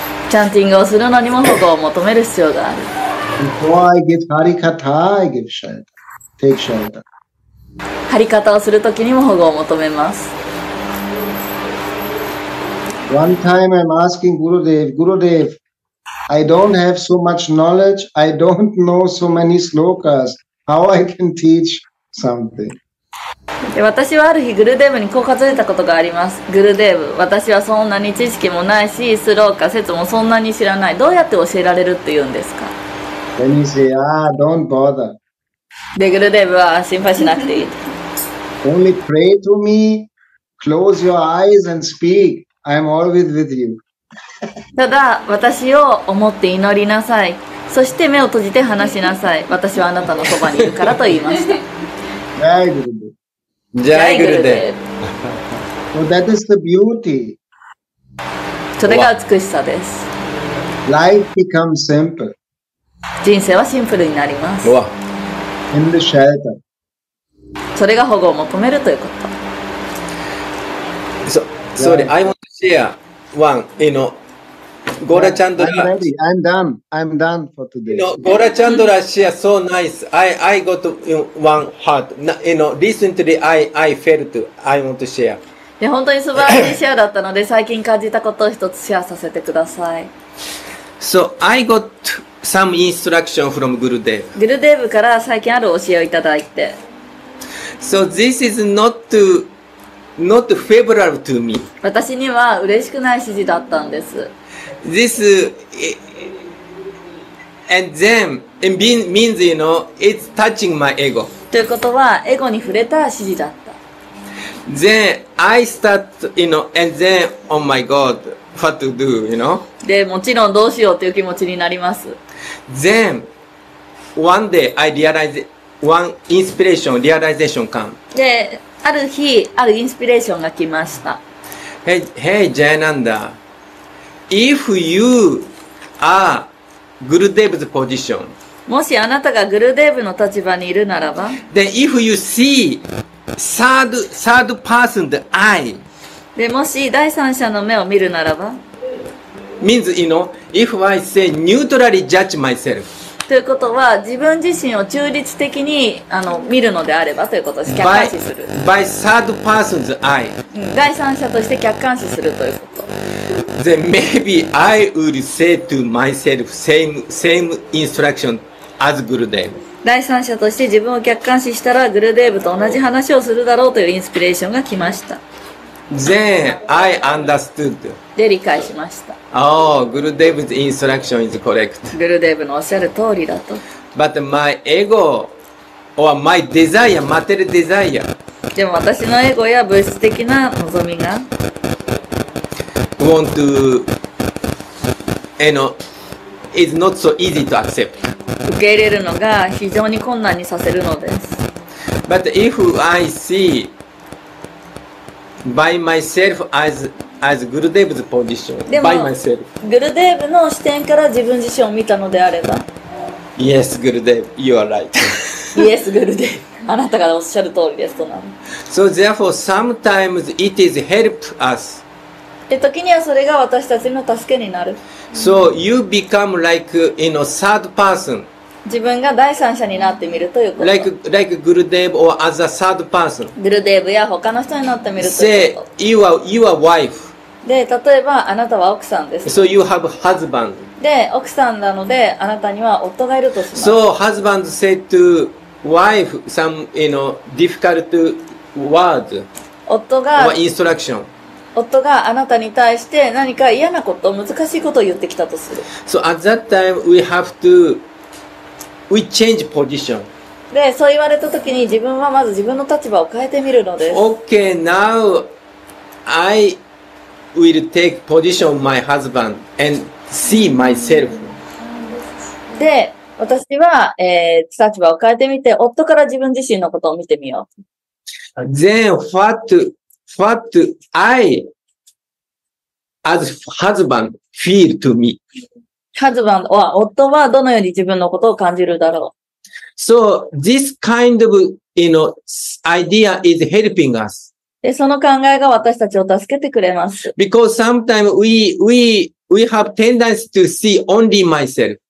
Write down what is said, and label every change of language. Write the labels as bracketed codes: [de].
[ja] チャンティングをするのにも保護を求める必要がある。 [en] Before I give harikata, I give shelter. Take shelter. [ja] ハリカタをするときにも保護を求めます。 [en] One time I'm asking Gurudev, Gurudev, I don't have so much knowledge, I don't know so many slokas, how I can teachSomething. [ja] 私はある日グルデーブにこう数えたことがあります。グルデーブ、私はそんなに知識もないし、スローか説もそんなに知らない、どうやって教えられるって言うんですか。 [en] Then you say, ah, don't bother. [ja] でグルデーブは心配しなくていい。 [en] Only pray to me, close your eyes and speak. I'm always with you. [ja] ただ私を思って祈りなさい、そして目を閉じて話しなさい、私はあなたのそばにいるからと言いました。 [hi] Jai Guru Dev. [en] So that is the beauty. [ja] それが美しさです。 [en] Life becomes simple. [ja] 人生はシンプルになります。 [en] In the shelter. [ja] それが保護を求めるということ。 [en] So, sorry, I want to share one, you know. Gora Chandra, I'm done for today. You know, Gora Chandra share so nice. I got one heart. You know, recently I felt I want to share. [ja] いや本当に素晴らしいシェアだったので最近感じたことを一つシェアさせてください。 [en] So I got some instruction from Gurudev. [ja] Gurudev から最近ある教えをいただいて。 [en] So this is not favorable to me. [ja] 私には嬉しくない指示だったんです。 [en] This and then it means you know it's touching my ego. [ja] ということはエゴに触れた指示だった。 [en] Then I start you know and then oh my god what to do you know. [ja] でもちろんどうしようという気持ちになります。 [en] Then one day I realize one inspiration realization come. [ja] で、ある日あるインスピレーションが来ました。 [en] Hey Jayananda. If you are Gurudev's position, [ja] もしあなたがグルデーブの立場にいるならば、 [en] then if you see third person's eye, [ja] でもし第三者の目を見るならば、 [en] means you know if I say neutrally judge myself, [ja] ということは自分自身を中立的に見るのであればということです。客観視する。 [en] By third person's eye, [ja] 第三者として客観視するということ。 [en] Then maybe I would say to myself same instruction as Gurudev. [ja] 第三者として自分を客観視したらグルデーブと同じ話をするだろうというインスピレーションが来ました。 [en] Then I understood. [ja] で理解しました。 [en] Oh, Gurudev's instruction is correct. [ja] グルデーブのおっしゃる通りだと。 [en] But my ego or my desire, material desire. [ja] でも私のエゴや物質的な望みが。 [en] Want to, you know, is not so easy to accept. [ja] 受け入れるのが非常に困難にさせるのです。 [en] But if I see by myself as Gurudev's position, by myself. [ja] Gurudev の視点から自分自身を見たのであれば。 [en] Yes, Gurudev, you are right. Yes, [ja] Gurudev, あなたがおっしゃる通りですとなる。 [en] So therefore, sometimes it is help us. [ja] で時にはそれが私たちの助けになる。 [en] So you become like you know third person. [ja] 自分が第三者になってみるということ。 [en] Like Gurudev or as a third person. [ja] グルデーブや他の人になってみるということ。 [en] Say you are wife. [ja] で例えばあなたは奥さんです。 [en] So you have husband. [ja] で奥さんなのであなたには夫がいるとします。 [en] So husband say to wife some you know difficult word. [ja] 夫が。 [en] Or instruction. [ja] 夫があなたに対して何か嫌なこと、難しいことを言ってきたとする。 [en] So at that time we have to we change position. [ja] で、そう言われた時に自分はまず自分の立場を変えてみるのです。 [en] Okay, now I will take position of my husband and see myself. [ja] で、私は、立場を変えてみて夫から自分自身のことを見てみよう。 [en] Then what I as husband feel to me? [ja] Husband は夫はどのように自分のことを感じるだろう。 [en] So this kind of you know idea is helping us. [ja] でその考えが私たちを助けてくれます。 [en] Because sometimes we have tendency to see only myself.